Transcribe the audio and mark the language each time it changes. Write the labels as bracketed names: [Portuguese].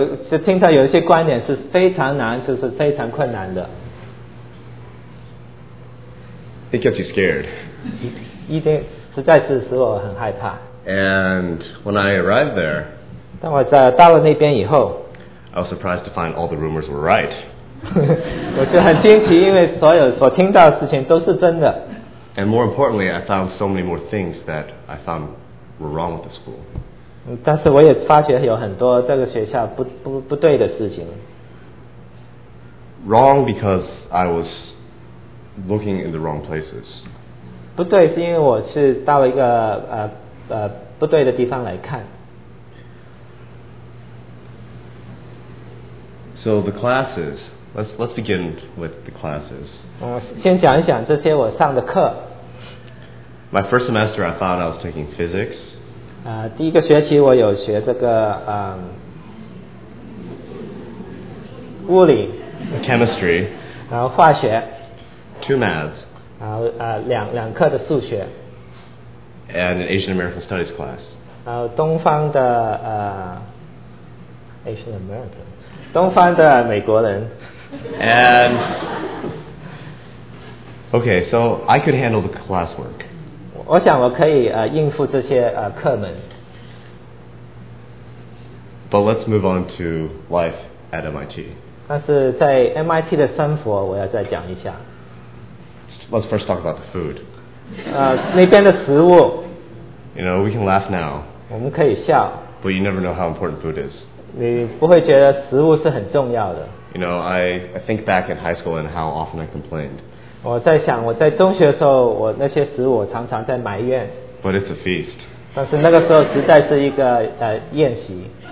[Chinese] 就听到有一些观点是非常难，就是非常困难的。 [English] It gets you scared. [Chinese] 一定实在是使我很害怕。 [English] And when I arrived there, [Chinese] 当我在到了那边以后 [English] ，I was surprised to find all the rumors were right. [Chinese] 我就很惊奇，因为所有所听到的事情都是真的。 [English] And more importantly, I found so many more things that I found were wrong with the school. [Chinese] 但是我也发觉有很多这个学校不对的事情。 [English] Wrong because I was looking in the wrong places. [Chinese] 不对是因为我是到了一个不对的地方来看。 [English] So the classes, let's begin with the classes. [Chinese] 先讲一讲这些我上的课。 [English] My first semester I thought I was taking physics. [Chinese] 第一个学期我有学这个物理 [English] chemistry [Chinese] 然后化学 [English] two maths [Chinese] 然后两课的数学 [English] and an Asian American studies class [Chinese] 然后东方的 [English] Asian American [Chinese] 东方的美国人 [English] and okay so I could handle the classwork [Chinese] 我想我可以应付这些课门 [English] But let's move on to life at MIT. [Chinese] 但是在 MIT 的生活，我要再讲一下。 [English] Let's first talk about the food. [Chinese] 那边的食物。 [English] You know, we can laugh now. [Chinese] 我们可以笑。 [English] But you never know how important food is. [Chinese] 你不会觉得食物是很重要的。 [English] You know, I think back in high school and how often I complained. [Chinese] 我在想，我在中学的时候，我那些食物我常常在埋怨。 [English] But it's a feast. [Chinese] 但是那个时候实在是一个宴席。